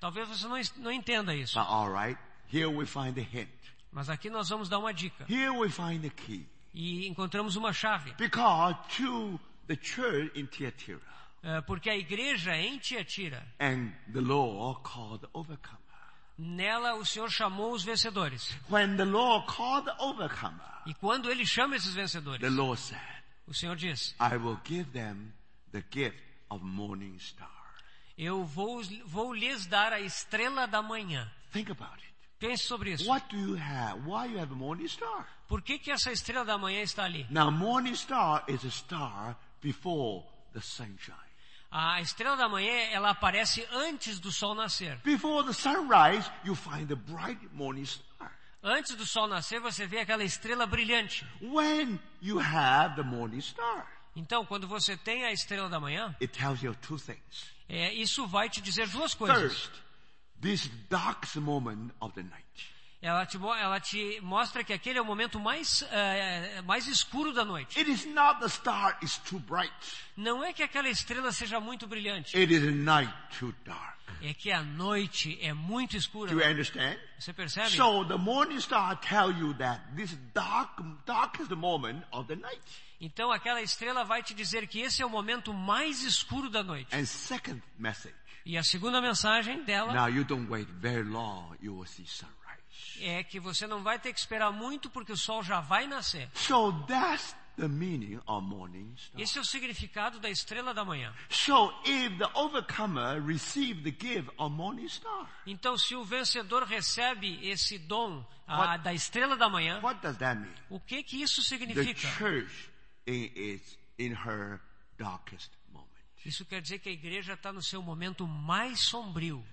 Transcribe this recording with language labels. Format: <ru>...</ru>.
<pt>Talvez você não entenda isso.</pt> <en>But all right, here we find the hint.</en> <pt>Mas aqui nós vamos dar uma dica.</pt> <en>Here we find the key.</en> <pt>E encontramos uma chave.</pt> <en>Because to the church in Tiatira.</en> <pt>Porque a igreja em Tiatira.</pt> <en>And the Lord called the overcomer.</en> <pt>Nela o Senhor chamou os vencedores.</pt> <en>When the Lord called the overcomer.</en> <pt>E quando ele chama esses vencedores.</pt> <en>The Lord said.</en> <pt>O Senhor diz.</pt> <en>I will give them the gift of morning star.</en> <pt>Eu vou lhes dar a estrela da manhã.</pt> <en>Think about it.</en> <pt>Pense sobre isso.</pt> <en>What do you have? Why you have a morning star?</en> <pt>Por que essa estrela da manhã está ali?</pt> <en>Now morning star is a star before the sunshine.</en> <pt>A estrela da manhã, ela aparece antes do sol nascer.</pt> <en>Before the sunrise, you find the bright morning star.</en> <pt>Antes do sol nascer, você vê aquela estrela brilhante.</pt> <en>When you have the morning star.</en> <pt>Então, quando você tem a estrela da manhã,</pt> <en>it tells you two things.</en> <pt>Isso vai te dizer duas coisas.</pt> <en>First, this darkest moment of the night.</en> <pt>Ela te mostra que aquele é o momento mais escuro da noite.</pt> <en>It is not the star is too bright.</en> <pt>Não é que aquela estrela seja muito brilhante.</pt> <en>It is night too dark.</en> <pt>É que a noite é muito escura.</pt> <en>Do you understand?</en> <pt>Você percebe?</pt> <en>So the morning star tell you that this darkest moment of the night.</en> <pt>Então aquela estrela vai te dizer que esse é o momento mais escuro da noite.</pt> <en>And second message.</en> <pt>E a segunda mensagem dela.</pt> <en>Now you don't wait very long, you will see sun.</en> <pt>É que você não vai ter que esperar muito porque o sol já vai nascer.</pt> <en>So that's the meaning of morning star.</en> <pt>Esse é o significado da estrela da manhã.</pt> <en>So if the overcomer received the gift of morning star.</en> <pt>Então se o vencedor recebe esse dom da estrela da manhã.</pt> <en>What does that mean?</en> <pt>O que isso significa?</pt> <en>The church in her darkest moment.</en> <pt>Isso quer dizer que a igreja está no seu momento mais sombrio.</pt>